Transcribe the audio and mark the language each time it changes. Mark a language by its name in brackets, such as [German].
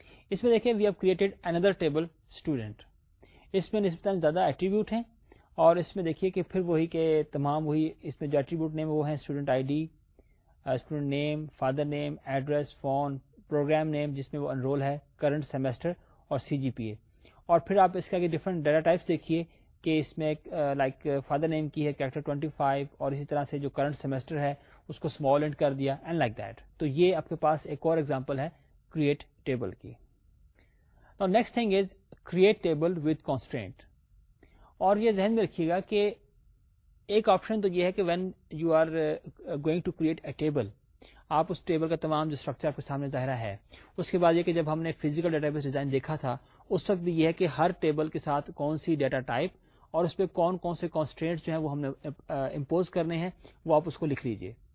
[Urdu] اس میں دیکھیں [English] we have created [Urdu] another table student, اس میں نسبتاً زیادہ ایٹریبیوٹ ہیں, اور اس میں دیکھیے کہ پھر وہی کہ تمام وہی اس میں جو ایٹریبیوٹ نیم وہ ہیں student I D, student name, father name, address, phone, program name جس میں وہ انرول ہے, کرنٹ سیمسٹر اور سی جی پی اے. اور پھر آپ اس کا کہ ڈفرنٹ ڈیٹا ٹائپس دیکھیے کہ اس میں لائک فادر نیم کی ہے کیریکٹر 25, اور اسی طرح سے جو کرنٹ سیمسٹر ہے اس کو اسمال انٹ کر دیا اینڈ لائک دیٹ. تو یہ آپ کے پاس ایک اور ایگزامپل ہے کریٹ ٹیبل کی. [English] Now next thing is create table with constraint. [Urdu] اور یہ ذہن میں رکھیے گا کہ ایک آپشن تو یہ ہے کہ [English] when you are going to create a table, [Urdu] آپ اس ٹیبل کا تمام جو اسٹرکچر آپ کے سامنے ظاہرہ ہے, اس کے بعد یہ کہ جب ہم نے فزیکل ڈیٹا بیس ڈیزائن دیکھا تھا اس وقت بھی یہ ہے کہ ہر ٹیبل کے ساتھ کون سی ڈیٹا ٹائپ اور اس پہ کون کون سے کانسٹرینٹ جو ہیں وہ ہم نے امپوز کرنے ہیں وہ آپ اس کو لکھ لیجیے.